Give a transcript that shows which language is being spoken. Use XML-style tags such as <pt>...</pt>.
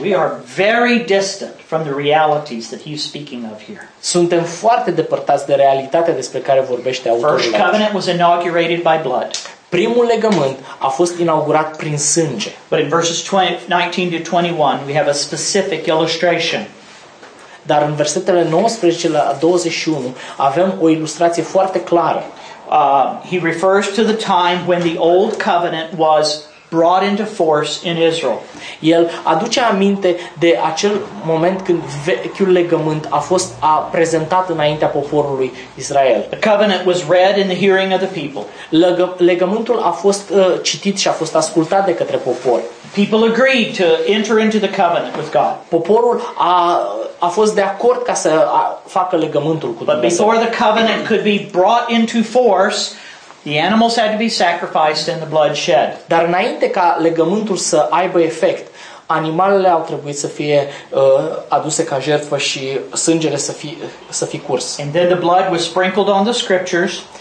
<en>We are very distant from the realities that he's speaking of here.</en> <ro>Suntem foarte depărtați de realitatea despre care vorbește autorul.</ro> <en>First covenant was inaugurated by blood.</en> <ro>Primul legământ a fost inaugurat prin sânge.</ro> <en>But in verses 19 to 21 we have a specific illustration.</en> <ro>Dar în versetele 19 la 21 avem o ilustrație foarte clară.</ro> <en>He refers to the time when the old covenant was brought into force in Israel.</en> <ro>El aduce aminte de acel moment când vechiul legământ a fost prezentat înaintea poporului Israel.</ro> <en>The covenant was read in the hearing of the people.</en> <ro>Legământul a fost citit și a fost ascultat de către popor.</ro> <en>People agreed to enter into the covenant with God.</en> <ro>Poporul a fost de acord ca să facă legământul cu Dumnezeu.</ro> <en>But before the covenant could be brought into force, the animals had to be sacrificed and the blood shed.</en> <ro>Dar înainte ca legământul să aibă efect, animalele au trebuit să fie aduse ca jertfă și sângele să fie curs.</ro> <en>And then the blood was sprinkled on the scriptures.</en>